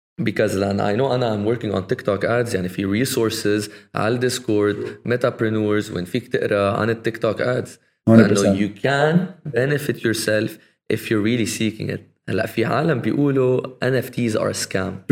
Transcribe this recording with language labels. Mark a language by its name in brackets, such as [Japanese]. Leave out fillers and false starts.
[English] Because then I know I'm working on TikTok ads. [Arabic] يعني في resources على Discord, Metapreneurs, when فيك تقرأ عن TikTok ads. [English] 100%. And you can benefit yourself if you're really seeking it. [Arabic] هلا في عالم بيقولوا [English] NFTs are a scam.